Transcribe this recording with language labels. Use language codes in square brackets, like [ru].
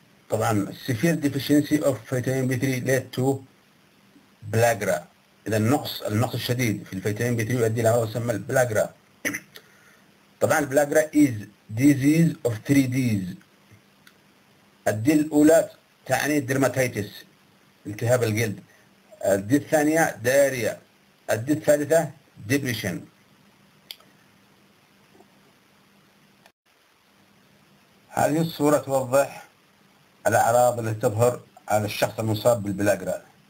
[en] طبعا severe deficiency of vitamin B3 led to pellagra. [ar] إذا النقص الشديد في الفيتامين بي 3 يؤدي إلى ما يسمى البلاغرا. [en] طبعا البلاغرا is disease of 3Ds. [ar] الدي الاولى تعني درماتيتس التهاب الجلد، الدي الثانيه دياريا، الدي الثالثه ديبريشن. هذه الصوره توضح الاعراض التي تظهر على الشخص المصاب بالبلاغرا.